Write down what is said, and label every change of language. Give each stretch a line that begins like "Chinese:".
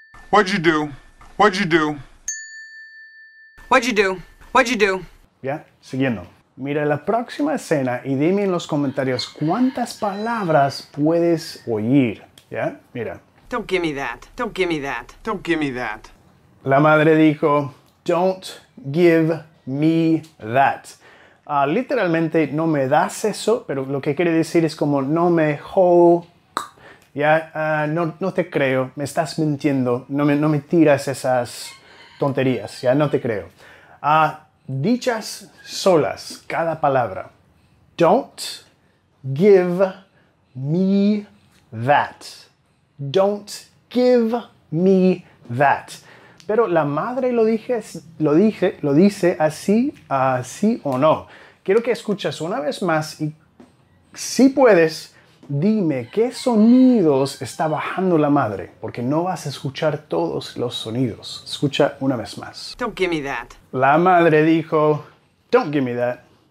English: What'd you do? What'd you do? What'd you do? What'd you do?
Spanish: Ya, siguiendo. Mira la próxima escena y dime en los comentarios cuántas palabras puedes oír. Ya, mira.
English: Don't give me that. Don't give me that. Don't give me that.
Spanish: La madre dijo,
English: don't give me that.
Spanish: Literalmente, no me das eso, pero lo que quiere decir es como no me hold, ¿ya? No te creo, me estás mintiendo, no me tiras esas tonterías, ¿ya? No te creo. Dichas solas, cada palabra.
English: Don't give me that. Don't give me that.
Spanish: Pero la madre lo dice así, sí o no. Quiero que escuches una vez más y, si puedes, dime qué sonidos está bajando la madre, porque no vas a escuchar todos los sonidos. Escucha una vez más.
English: Don't give me that.
Spanish: La madre dijo,
English: don't give me that.